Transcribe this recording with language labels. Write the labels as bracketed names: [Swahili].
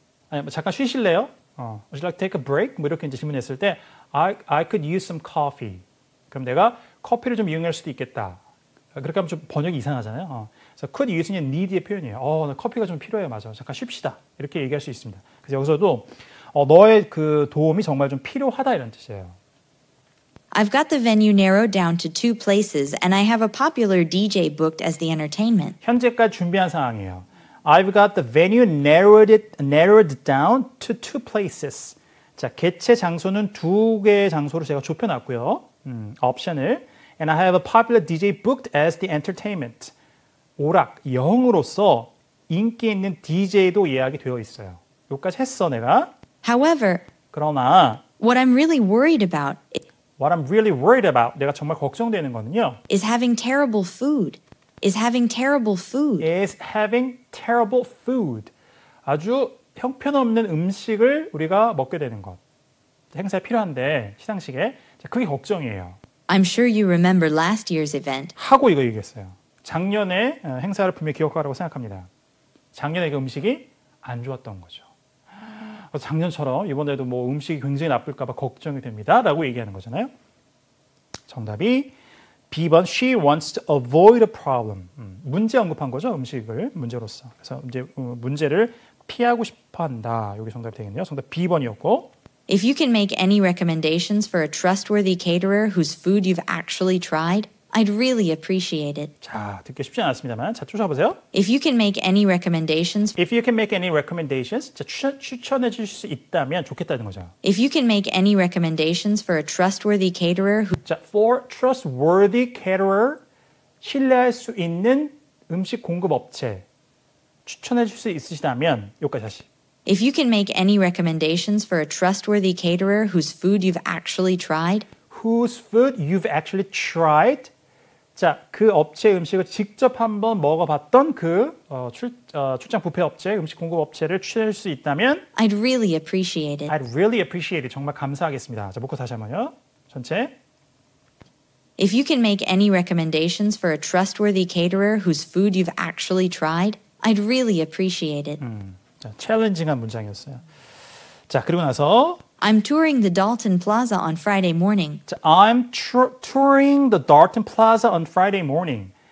[Korean] 아니 뭐 잠깐 쉬실래요? [English] Would you like to take a break? [Korean] 뭐 이렇게 이제 질문했을 때 [English] I could use some coffee. [Korean] 그럼 내가 커피를 좀 이용할 수도 있겠다. 그렇게 하면 좀 번역이 이상하잖아요. 그래서 could use는 need의 표현이에요. 나 커피가 좀 필요해요. 맞아. 잠깐 쉽시다. 이렇게 얘기할 수 있습니다. 그래서 여기서도 너의 그 도움이 정말 좀 필요하다 이런 뜻이에요. [English] I've got the venue narrowed down to two places and I have a popular DJ booked as the entertainment. [Korean] 현재까지 준비한 상황이에요. [English] I've got the venue narrowed down to two places. [Korean] 자, 개최 장소는 두 개의 장소로 제가 좁혀놨고요. 옵션을 [English] And I have a popular DJ booked as the entertainment. [Korean] 오락, 영으로서 인기 있는 DJ도 예약이 되어 있어요. 여기까지 했어, 내가. [English] However, [Korean] 그러나, [English] what I'm really worried about, what I'm really worried about, [Korean] 내가 정말 걱정되는 거는요, [English] is having terrible food. Is having terrible food. Is having terrible food. [Korean] 아주 형편없는 음식을 우리가 먹게 되는 것. 행사에 필요한데, 시상식에. 그게 걱정이에요. [English] I'm sure you remember last year's event. [Korean] 하고 이거 얘기했어요. 작년에 행사를 분명히 기억하라고 생각합니다. 작년에 그 음식이 안 좋았던 거죠. 작년처럼 이번에도 뭐 음식이 굉장히 나쁠까 봐 걱정이 됩니다. 라고 얘기하는 거잖아요. 정답이 B번 [English] She wants to avoid a problem. [Korean] 문제 언급한 거죠. 음식을 문제로서. 그래서 이제 문제를 피하고 싶어한다. 여기 정답이 되겠네요. 정답 B번이었고 [English] If you can make any recommendations for a trustworthy caterer whose food you've actually tried, I'd really appreciate it. [Korean] 자, 듣기 쉽지 않았습니다만, 자, 쫓아보세요. [English] If you can make any recommendations, if you can make any recommendations, [Korean] 자, 추천해 주실 수 있다면 좋겠다는 거죠. [English] If you can make any recommendations for a trustworthy caterer, who, [Korean] 자, [English] for trustworthy caterer, [Korean] 신뢰할 수 있는 음식 공급 업체 추천해 주실 수 있으시다면, 여기까지 다시. [English] If you can make any recommendations for a trustworthy caterer whose food you've actually tried, whose food you've actually tried, [Korean] 자, 그 업체 음식을 직접 한번 먹어봤던 그 출장 뷔페 업체 음식 공급 업체를 추천할 수 있다면, [English] I'd really appreciate it. I'd really appreciate it. [Korean] 정말 감사하겠습니다. 자, 묶어 다시 한번요. 전체. [English] If you can make any recommendations for a trustworthy caterer whose food you've actually tried, I'd really appreciate it. [Korean] 자, 챌린징한 문장이었어요. 자, 그리고 나서 [English] I'm touring the Dalton Plaza on Friday morning. I'm touring the Dalton Plaza on Friday morning.